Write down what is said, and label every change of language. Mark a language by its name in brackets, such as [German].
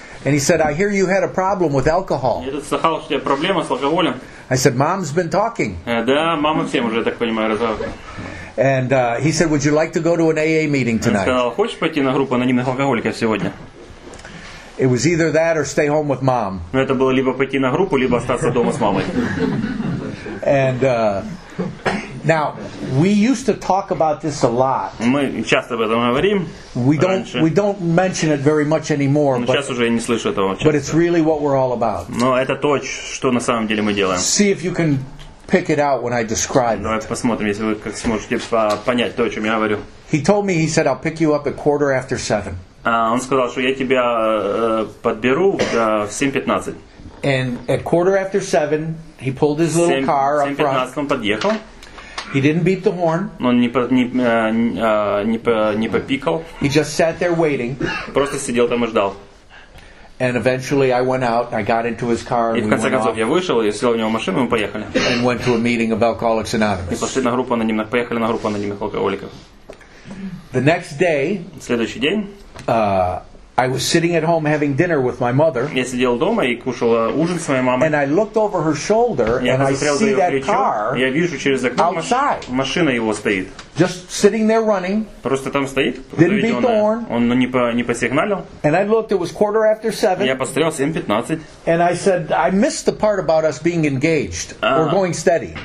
[English] And he said, I hear you had a problem with alcohol. [Russian] Я тут слыхал, что у тебя проблема с алкоголем. [English] I said, mom's been talking. [Russian] Да, мама всем уже, я так понимаю, разговаривает. [English] And he said, "Would you like to go to an AA meeting tonight?" [Russian] Сказал, хочешь пойти на группу анонимных алкоголиков сегодня? [English] It was either that or stay home with mom. [Russian] Но это было либо пойти на группу, либо остаться дома с мамой. [English] And now we used to talk about this a lot. [Russian] Мы часто об этом говорим. [English] We don't mention it very much anymore. [Russian] Но сейчас уже я не слышу этого. [English] But it's really what we're all about. [Russian] Но это то, что на самом деле мы делаем. [English] See if you can pick it out when I describe it. [Russian] Посмотрим, если вы как сможете понять то, о чем я говорю. [English] He told me, he said, I'll pick you up at 7:15. [Russian] Он сказал, что я тебя подберу в 7:15. [English] And at 7:15, he pulled his little car up front. [Russian] 7:15 он подъехал. [English] He didn't beep the horn. [Russian] Он не попикал. [English] He just sat there waiting. [Russian] Просто сидел там и ждал. [English] And eventually I went out, I got into his car, and we went off. [Russian] Я вышел, я сел в него машину, мы поехали. [English] And went to a meeting of Alcoholics Anonymous. [Russian] И пошли на группу анонимных, поехали на группу анонимных алкоголиков. [English] The next day, [Russian] следующий день, [English] I was sitting at home having dinner with my mother. [Russian] Я сидел дома и кушал ужин с моей мамой. [English] And I looked over her shoulder and I see that car. [Russian] Я вижу через окно [English] outside. [Russian] Машина его стоит. [English] Just sitting there running. [Russian] Просто там стоит. [English] Didn't beep the horn. [Russian] Он не посигналил. [English] And I looked. It was 7:15. [Russian] Я посмотрел 7:15. [English] And I said, I missed the part about us being engaged or going steady.